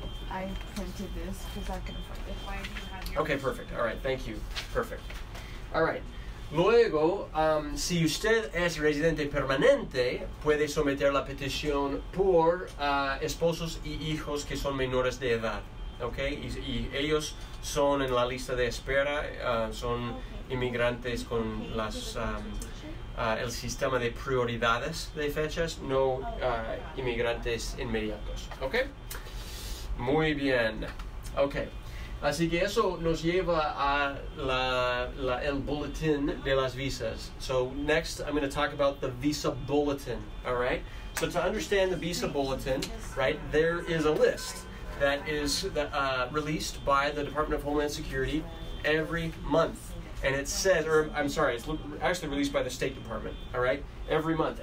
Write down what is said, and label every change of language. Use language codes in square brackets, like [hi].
[en] I printed this because I couldn't find it. Why do you have your okay, perfect. All right, thank you. Perfect. All right. [es] Luego, si usted es residente permanente, puede someter la petición por esposos y hijos que son menores de edad. Okay, y ellos son en la lista de espera, son inmigrantes con el sistema de prioridades de fechas, no inmigrantes inmediatos. Okay, muy bien. Okay, así que eso nos lleva a el bulletin de las visas. [en] So next, I'm going to talk about the visa bulletin. All right. So to understand the visa bulletin, right, there is a list that is released by the Department of Homeland Security every month. And it says, it's actually released by the State Department, all right, every month.